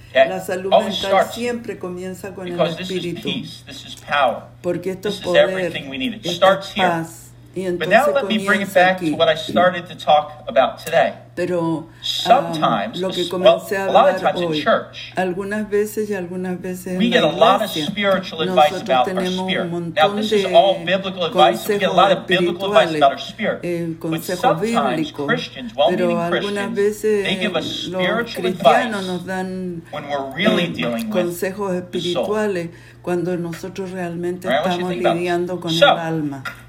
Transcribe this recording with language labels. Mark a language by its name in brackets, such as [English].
[Spanish] La salud mental siempre comienza con el espíritu. Porque esto es poder. [English] This is everything we need. It starts here. But now let me bring it back to what I started to talk about today. [Spanish] Pero [English] sometimes, a lot of times in church, [Spanish] algunas veces [English] we get a lot of spiritual advice about our spirit. Now this is all biblical advice. We get a lot of biblical advice about our spirit. But sometimes Christians, well-meaning Christians, they give us spiritual advice when we're really dealing with the soul. [Spanish] Cuando nosotros realmente estamos lidiando con el alma.